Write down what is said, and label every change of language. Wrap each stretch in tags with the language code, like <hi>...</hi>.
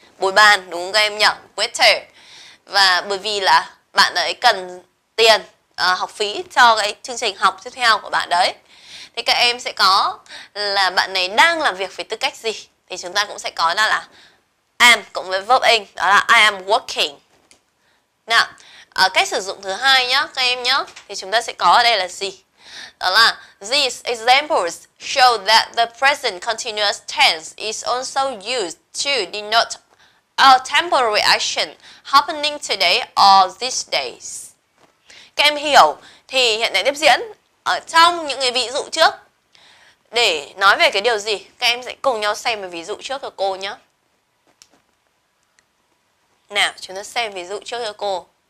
<vi>Bồi bàn, đúng không các em nhỉ? Waiter. Và bởi vì là bạn ấy cần tiền học phí cho cái chương trình học tiếp theo của bạn đấy. Thế các em sẽ có là bạn ấy đang làm việc với tư cách gì? Thì chúng ta cũng sẽ có là am cộng với verb in, đó là</vi> <en>I am working.</en> <vi>Nào, ở cách sử dụng thứ hai nhá các em nhá, thì chúng ta sẽ có ở đây là gì?</vi> <en>Đó là these examples show that the present continuous tense is also used to denote a temporary action happening today or these days.</en> <vi>Các em hiểu thì hiện tại tiếp diễn ở trong những cái ví dụ trước để nói về cái điều gì? Các em sẽ cùng nhau xem một ví dụ trước cho cô nhé. Nào, chúng ta xem ví dụ trước cho cô.</vi>